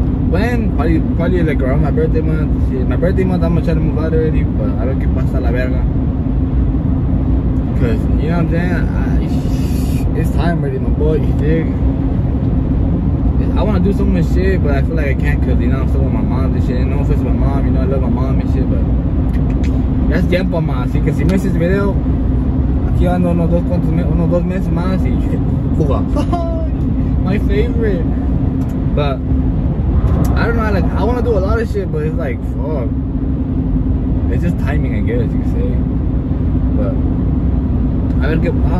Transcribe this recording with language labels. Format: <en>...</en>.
<en>When probably like around my birthday month. Shit. My birthday month, I'm gonna try to move out already, but I don't get past</en> <es>la verga.</es> <en>Cause you know what I'm saying? It's time already, my boy. You dig? I want to do some of this shit, but I feel like I can't, because, you know, I'm still with my mom and shit. No selfish with my mom, you know, I love my mom and shit, but that's</en> <es>tiempo, ma. Así que si me haces video, aquí ando unos dos meses más y fuga.</es> <en>My favorite. But I don't know, like, I want to do a lot of shit, but it's like, fuck. It's just timing, I guess, you can say. But</en> <es>a ver qué.</es>